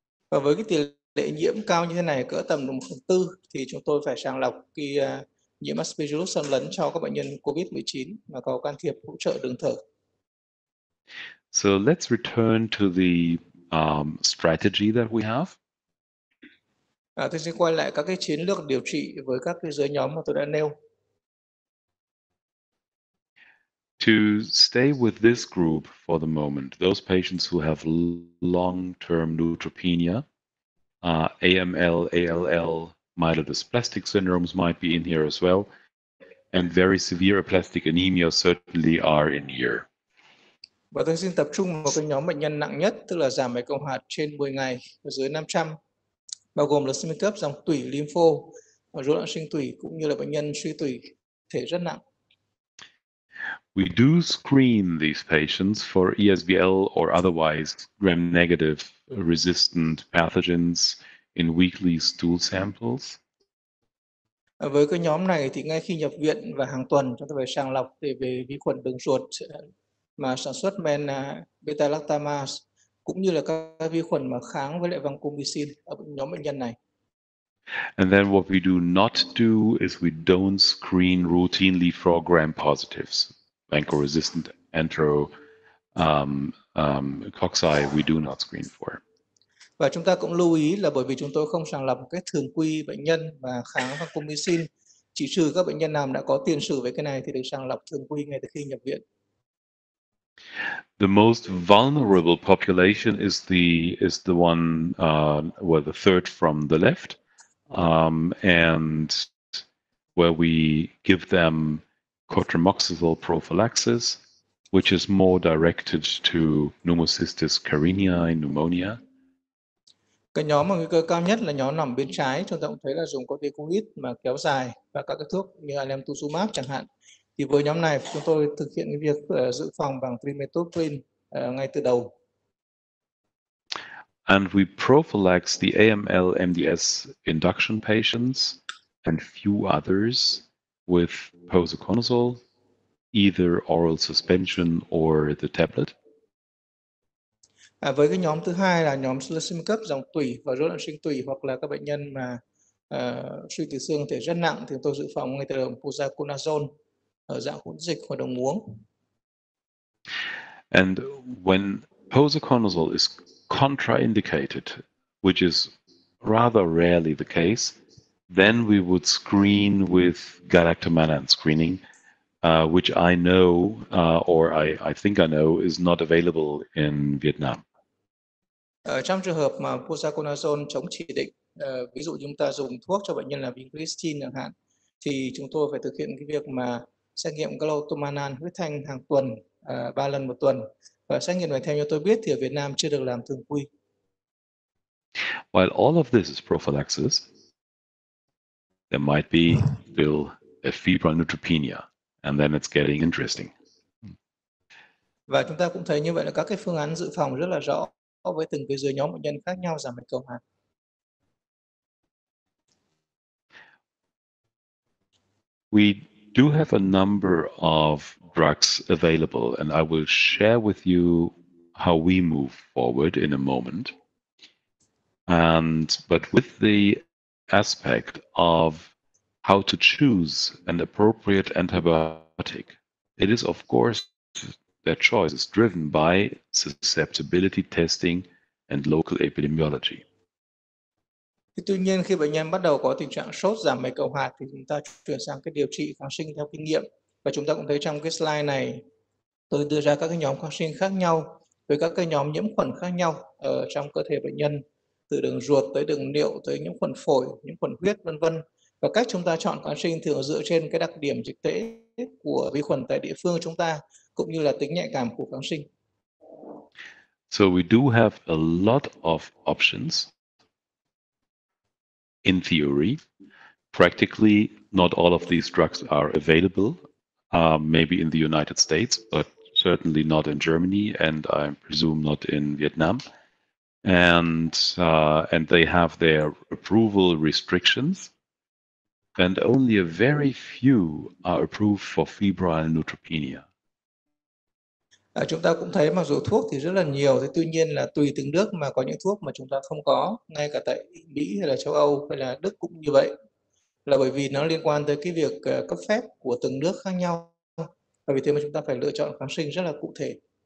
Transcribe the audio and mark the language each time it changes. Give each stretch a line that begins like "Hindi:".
Vietnamese: Và với cái tỷ lệ nhiễm cao như thế này, cỡ tầm 1/4 thì chúng tôi phải sàng lọc cái nhiễm aspergillus xâm lấn cho các bệnh nhân COVID-19 mà có can thiệp hỗ trợ đường thở.
English: So let's return to the strategy that we have.
Vietnamese: Tôi sẽ quay lại các cái chiến lược điều trị với các cái giới nhóm mà tôi đã nêu.
English: To stay with this group for the moment, those patients who have long-term neutropenia, AML, ALL, myelodysplastic syndromes might be in here as well, and very severe aplastic anemia certainly are in here.
Vietnamese: Và tôi xin tập trung vào cái nhóm bệnh nhân nặng nhất, tức là giảm máy cộng hạt trên 10 ngày và dưới 500, bao gồm là leukemia cấp, dòng tủy, lympho, rối loạn sinh tủy cũng như là bệnh nhân suy tủy thể rất nặng.
English: We do screen these patients for ESBL or otherwise gram-negative resistant pathogens in weekly stool samples.
Vietnamese: Với cái nhóm này thì ngay khi nhập viện và hàng tuần chúng ta phải sàng lọc để về vi khuẩn đường ruột mà sản xuất men beta-lactamase cũng như là các vi khuẩn mà kháng với lại vancomycin ở nhóm bệnh nhân này.
English: And then what we do not do is we don't screen routinely for gram-positives. Vancomycin-resistant enterococci we do not screen for.
Vietnamese: Và chúng ta cũng lưu ý là bởi vì chúng tôi không sàng lọc một cách thường quy bệnh nhân mà kháng vancomycin, chỉ trừ các bệnh nhân nào đã có tiền sử với cái này thì được sàng lọc thường quy ngay từ khi nhập viện.
English: The most vulnerable population is the one where the third from the left, and where we give them cotrimoxazole prophylaxis, which is more directed to pneumocystis carinii pneumonia.
Vietnamese: Cái nhóm mà nguy cơ cao nhất là nhóm nằm bên trái, chúng ta cũng thấy là dùng corticoid mà kéo dài và các cái thuốc như alemtuzumab chẳng hạn. Thì với nhóm này chúng tôi thực hiện cái việc dự phòng bằng trimethoprim ngay từ đầu.
English: And we prophylax the AML MDS induction patients and few others with posaconazole, either oral suspension or the tablet.
Vietnamese: Với cái nhóm thứ hai là nhóm leukemia cấp dòng tủy và rối loạn sinh tủy hoặc là các bệnh nhân mà suy tủy xương thể rất nặng thì tôi dự phòng ngay từ đầu posaconazole ở dạng hỗn dịch hoặc đồng uống.
English: And when posaconazole is contraindicated, which is rather rarely the case, then we would screen with galactomannan screening, which I know, or I think I know, is not available in Vietnam.
Vietnamese: Trong trường hợp mà posaconazole chống chỉ định, ví dụ chúng ta dùng thuốc cho bệnh nhân là vincristine chẳng hạn, thì chúng tôi phải thực hiện cái việc mà xét nghiệm galactomannan huyết thanh hàng tuần, 3 lần một tuần. Và xét nghiệm này theo như tôi biết thì ở Việt Nam chưa được làm thường quy.
English: While all of this is prophylaxis, there might be still a febrile neutropenia, and then it's getting interesting.
Vietnamese: Và chúng ta cũng thấy như vậy là các cái phương án dự phòng rất là rõ với từng cái giới nhóm bệnh nhân khác nhau giảm bệnh cầu hạt.
English: We do have a number of drugs available, and I will share with you how we move forward in a moment. But with the aspect of how to choose an appropriate antibiotic, it is of course that choice is driven by susceptibility testing and local epidemiology.
Vietnamese: Tuy nhiên khi bệnh nhân bắt đầu có tình trạng sốt giảm máy cầu hạt thì chúng ta chuyển sang cái điều trị kháng sinh theo kinh nghiệm và chúng ta cũng thấy trong cái slide này tôi đưa ra các cái nhóm kháng sinh khác nhau với các cái nhóm nhiễm khuẩn khác nhau ở trong cơ thể bệnh nhân từ đường ruột tới đường niệu tới những khuẩn phổi, những khuẩn huyết vân vân và cách chúng ta chọn kháng sinh thường dựa trên cái đặc điểm dịch tễ của vi khuẩn tại địa phương chúng ta cũng như là tính nhạy cảm của kháng sinh.
English: So we do have a lot of options. In theory, practically, not all of these drugs are available, maybe in the United States, but certainly not in Germany, and I presume not in Vietnam. And they have their approval restrictions, and only a very few are approved for febrile neutropenia.
Vietnamese: Chúng ta cũng thấy mặc dù thuốc thì rất là nhiều, thế tuy nhiên là tùy từng nước mà có những thuốc mà chúng ta không có, ngay cả tại Mỹ hay là châu Âu hay là Đức cũng như vậy, là bởi vì nó liên quan tới cái việc cấp phép của từng nước khác nhau, và vì thế mà chúng ta phải lựa chọn kháng sinh rất là cụ thể.